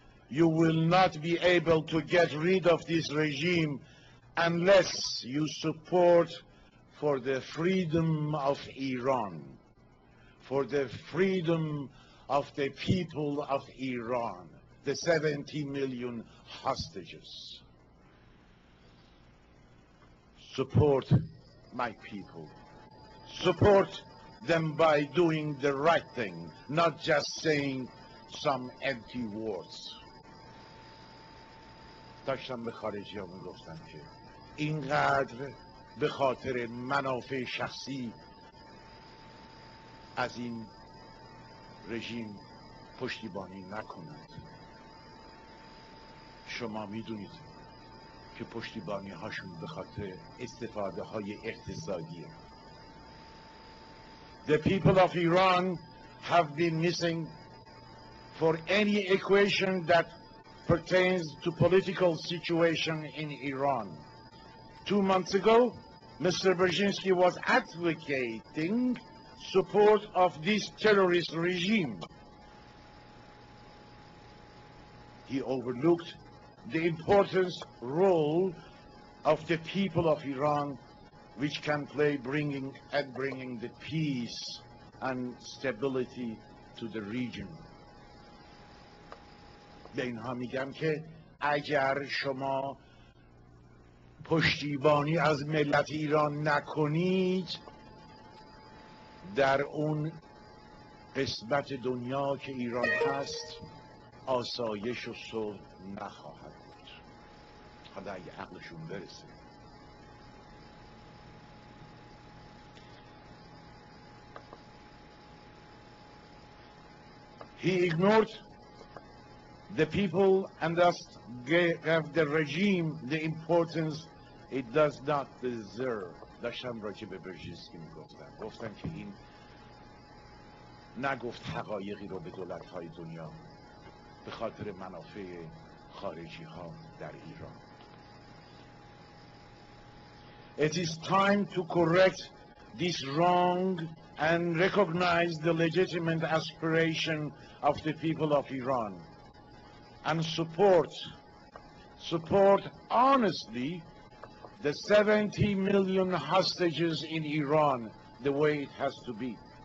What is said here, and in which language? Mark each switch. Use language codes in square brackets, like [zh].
[en] You will not be able to get rid of this regime unless you support for the freedom of Iran, for the freedom of the people of Iran, the 70 million hostages. Support my people. Support them by doing the right thing, not just saying some empty words. [fa] داشتم به خارجی ها میگفتم که اینقدر به خاطر منافع شخصی از این رژیم پشتیبانی نکنند. شما میدونید که پشتیبانی هاشون به خاطر استفاده های اقتصادیه. [en] The people of Iran have been missing for any equation that pertains to political situation in Iran. 2 months ago, Mr. Brzezinski was advocating support of this terrorist regime. He overlooked the important role of the people of Iran, which can play bringing the peace and stability to the region. [fa] به اینها میگم که اگر شما پشتیبانی از ملت ایران نکنید، در اون قسمت دنیا که ایران هست آسایش و صلح نخواهد بود. حالا اگه عقلشون برسه. [en] He ignored the people and thus gave the regime the importance it does not deserve. [fa] داشتم راجع به برژینسکی میگفتم. گفتم که این نگفت حقایقی رو به دولت‌های دنیا به خاطر منافع خارجی ها در ایران. [en] It is time to correct this wrong and recognize the legitimate aspiration of the people of Iran. And support honestly the 70 million hostages in Iran the way it has to be.